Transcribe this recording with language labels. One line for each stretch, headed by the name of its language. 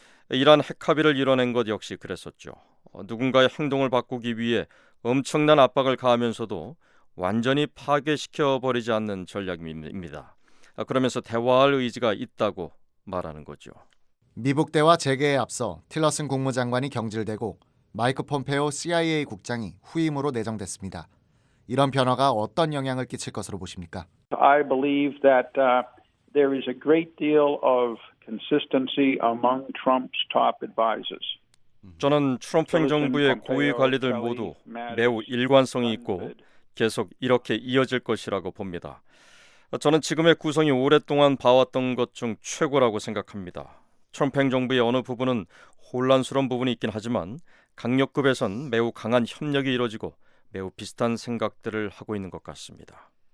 Korean: 이란 핵 합의를 이뤄낸 것 역시 그랬었죠. 누군가의 행동을 바꾸기 위해 엄청난 압박을 가하면서도 완전히 파괴시켜버리지 않는 전략입니다. 그러면서 대화할 의지가 있다고 말하는 거죠. 미북 대화 재개에 앞서 틸러슨 국무장관이 경질되고 마이크 폼페오 CIA 국장이 후임으로 내정됐습니다. 이런 변화가 어떤 영향을 끼칠 것으로 보십니까?
English: I believe that there is a great deal of consistency among Trump's top advisors.
Korean: 저는 트럼프 행정부의 고위 관리들 모두 매우 일관성이 있고 계속 이렇게 이어질 것이라고 봅니다. 저는 지금의 구성이 오랫동안 봐왔던 것 중 최고라고 생각합니다. 트럼프 행정부의 어느 부분은 혼란스러운 부분이 있긴 하지만 강력급에선 매우 강한 협력이 이루어지고 매우 비슷한 생각들을 하고 있는 것 같습니다.